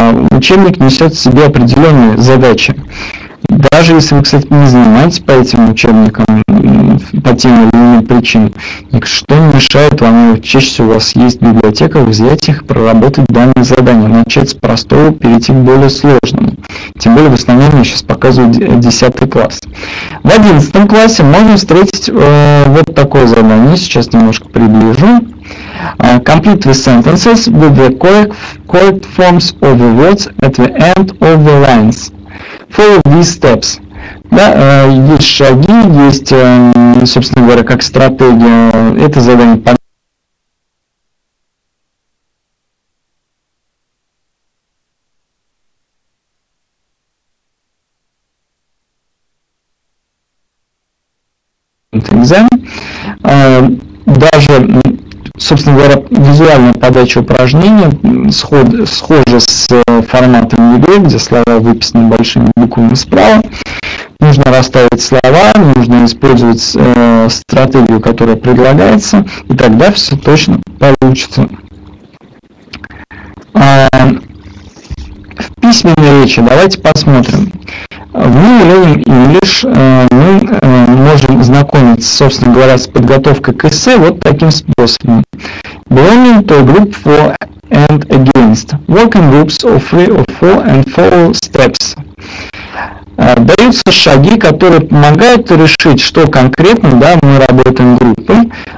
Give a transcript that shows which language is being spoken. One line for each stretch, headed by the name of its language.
Russian: Учебник несет в себе определенные задачи. Даже если вы, кстати, не занимаетесь по этим учебникам, по тем или иным причинам, ничто не мешает вам, чаще всего у вас есть библиотека, взять их, проработать данные задания, начать с простого, перейти к более сложному. Тем более, в основном, я сейчас показываю 10 класс. В 11 классе можно встретить вот такое задание, сейчас немножко приближу.
English: Complete the sentences with the correct forms of the words at the end of the lines. Follow these steps.
Russian: Да, есть шаги, есть, собственно говоря, как стратегия. Это задание по... экзамен. Даже собственно говоря, визуальная подача упражнения схожа с форматом ЕГЭ, где слова выписаны большими буквами справа. Нужно расставить слова, нужно использовать стратегию, которая предлагается, и тогда все точно получится. В письменной речи давайте посмотрим. В New Learning English мы можем знакомиться, собственно говоря, с подготовкой к эссе вот таким способом.
English: Belonging to a group for and against. Work in groups of three or four and follow steps.
Russian: Даются шаги, которые помогают решить, что конкретно, да, мы работаем группой.